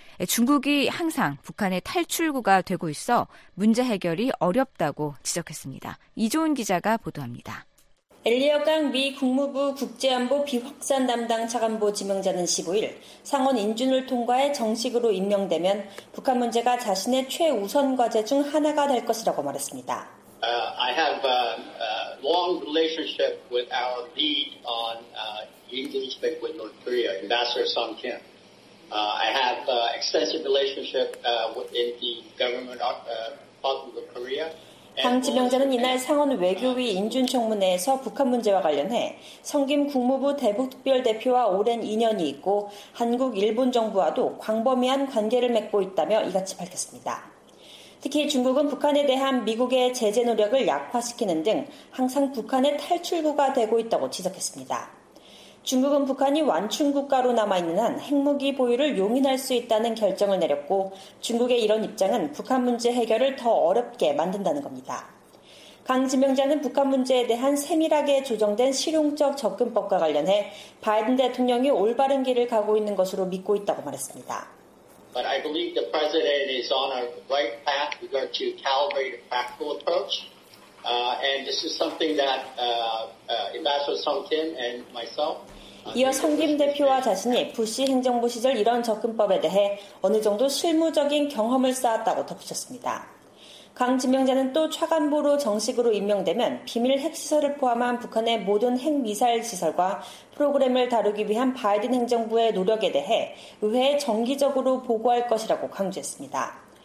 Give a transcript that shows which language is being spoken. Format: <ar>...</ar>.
<ko>중국이 항상 북한의 탈출구가 되고 있어 문제 해결이 어렵다고 지적했습니다. 이조은 기자가 보도합니다. 엘리어 강 미 국무부 국제안보 비확산 담당 차관보 지명자는 15일 상원 인준을 통과해 정식으로 임명되면 북한 문제가 자신의 최우선 과제 중 하나가 될 것이라고 말했습니다.</ko> <en>I have a long relationship with our lead on relationship with North Korea, Ambassador Song Kim. I have extensive relationship in the government of Korea.</en> <ko>강 지명자는 이날 상원 외교위 인준청문회에서 북한 문제와 관련해 성김 국무부 대북특별대표와 오랜 인연이 있고 한국, 일본 정부와도 광범위한 관계를 맺고 있다며 이같이 밝혔습니다. 특히 중국은 북한에 대한 미국의 제재 노력을 약화시키는 등 항상 북한의 탈출구가 되고 있다고 지적했습니다. 중국은 북한이 완충국가로 남아있는 한 핵무기 보유를 용인할 수 있다는 결정을 내렸고 중국의 이런 입장은 북한 문제 해결을 더 어렵게 만든다는 겁니다. 강 지명자는 북한 문제에 대한 세밀하게 조정된 실용적 접근법과 관련해 바이든 대통령이 올바른 길을 가고 있는 것으로 믿고 있다고 말했습니다.</ko> <en>But I believe the president is on a right path. We got to calibrate a practical approach. And this is something that Ambassador Song Kim and myself.</en> <ko>이어 성 김 대표와 자신이 부시 행정부 시절 이런 접근법에 대해 어느 정도 실무적인 경험을 쌓았다고 덧붙였습니다. 강 지명자는 또 차관보로 정식으로 임명되면 비밀 핵시설을 포함한 북한의 모든 핵미사일 시설과 프로그램을 다루기 위한 바이든 행정부의 노력에 대해 의회에 정기적으로 보고할 것이라고 강조했습니다.</ko>